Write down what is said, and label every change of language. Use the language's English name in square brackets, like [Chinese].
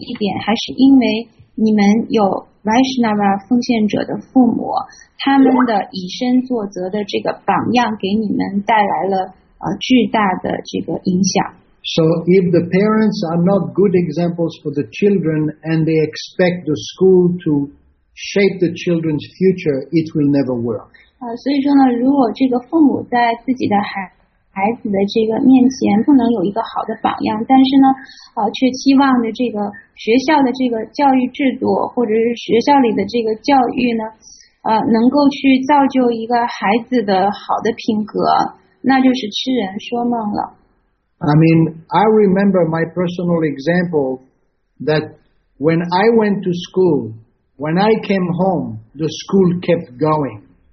[Chinese] 他就是指出了，他说其实你们在这个Gurukul学校的在过去的10年的教育当中呢，就是最重要的一点还是因为你们有 Vaishnava 奉献者的父母，他们的以身作则的这个榜样给你们带来了巨大的这个影响。 [English] So if the parents are not good examples for the children and they expect the school to shape the children's future, it will never work. [Chinese] 所以说呢，如果这个父母在自己的孩子的这个面前不能有一个好的榜样，但是呢，却期望的这个学校的这个教育制度或者是学校里的这个教育呢，能够去造就一个孩子的好的品格，那就是痴人说梦了。 [English] I mean, I remember my personal example that when I went to school, when I came home, the school kept going.